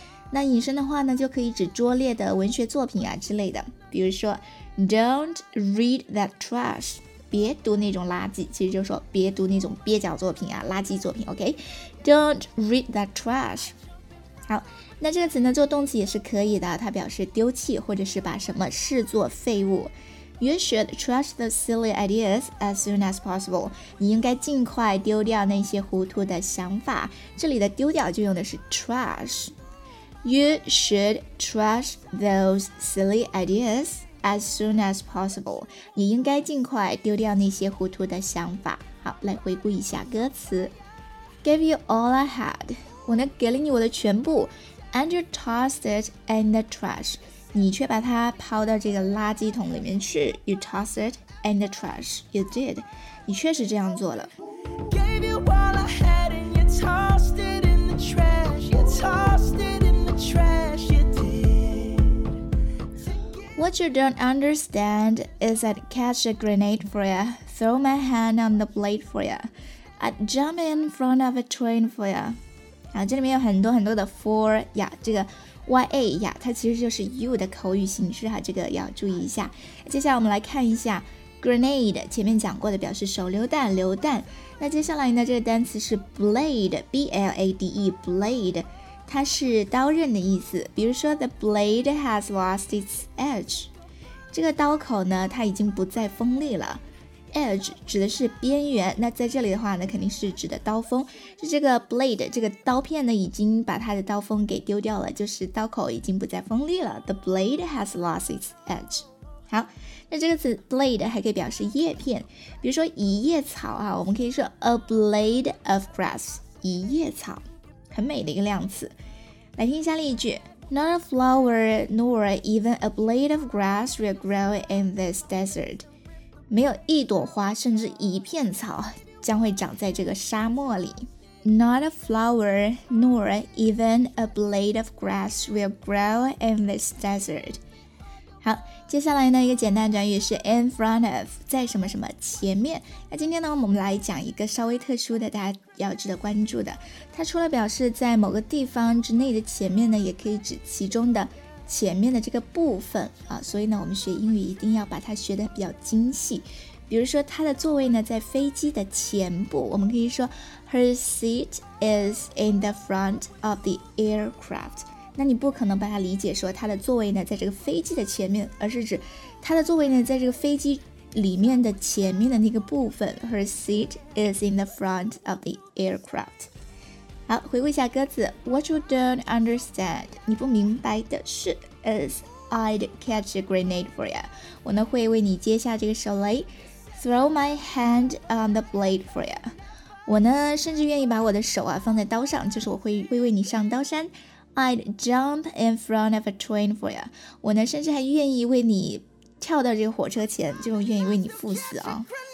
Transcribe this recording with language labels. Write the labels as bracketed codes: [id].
[zh] 那引申的话呢，就可以指拙劣的文学作品啊之类的，比如说 [en] Don't read that trash， [zh] 别读那种垃圾，其实就是说别读那种蹩脚作品啊，垃圾作品。 [en] OK， Don't read that trash。 [zh] 好，那这个词呢做动词也是可以的，它表示丢弃或者是把什么视作废物。 [en] You should trash the silly ideas as soon as possible， [zh] 你应该尽快丢掉那些糊涂的想法。这里的丢掉就用的是 trash。 [en] You should trash those silly ideas as soon as possible， [zh] 你应该尽快丢掉那些糊涂的想法。好，来回顾一下歌词。 [en] Give you all I had， [zh] 我能给了你我的全部， [en] And you tossed it in the trash， [zh] 你却把它抛到这个垃圾桶里面去。 [en] You tossed it in the trash， You did， [zh] 你确实这样做了。 [en] Gave you all I had and you tossed it in the trash， You tossed it in the trash， You did。 What you don't understand is I'd catch a grenade for you， Throw my hand on the blade for you， I'd jump in front of a train for you。 [zh] 啊，这里面有很多很多的 for 呀，这个 ya 呀，它其实就是 you 的口语形式哈，这个要注意一下。接下来我们来看一下 grenade， 前面讲过的表示手榴弹、榴弹。那接下来呢，这个单词是 blade， 它是刀刃的意思。比如说 [en] the blade has lost its edge， [zh] 这个刀口呢，它已经不再锋利了。 Edge 指的是边缘，那在这里的话呢，肯定是指的刀锋，是这个 blade 这个刀片呢已经把它的刀锋给丢掉了，就是刀口已经不再锋利了。 [en] The blade has lost its edge。 [zh] 好，那这个词 blade 还可以表示叶片，比如说一叶草啊，我们可以说 [en] a blade of grass， [zh] 一叶草，很美的一个量词。来听一下例句。 [en] Not a flower nor even a blade of grass will grow in this desert， [zh] 没有一朵花甚至一片草将会长在这个沙漠里。 [en] Not a flower nor even a blade of grass will grow in this desert。 [zh] 好，接下来呢一个简单短语是 in front of， 在什么什么前面。那今天呢我们来讲一个稍微特殊的，大家要值得关注的，它除了表示在某个地方之内的前面呢，也可以指其中的前面的这个部分啊，所以呢我们学英语一定要把它学得比较精细。比如说它的座位呢在飞机的前部，我们可以说 [en] Her seat is in the front of the aircraft。 [zh] 那你不可能把它理解说它的座位呢在这个飞机的前面，而是指它的座位呢在这个飞机里面的前面的那个部分。 [en] Her seat is in the front of the aircraft。 [zh] 好，回顾一下歌词。 [en] What you don't understand， [zh] 你不明白的是 [en] is I'd catch a grenade for you， [zh] 我呢会为你接下这个手雷。 [en] Throw my hand on the blade for you， [zh] 我呢甚至愿意把我的手啊放在刀上，就是我会为你上刀山。 [en] I'd jump in front of a train for you， [zh] 我呢甚至还愿意为你跳到这个火车前，就愿意为你赴死啊。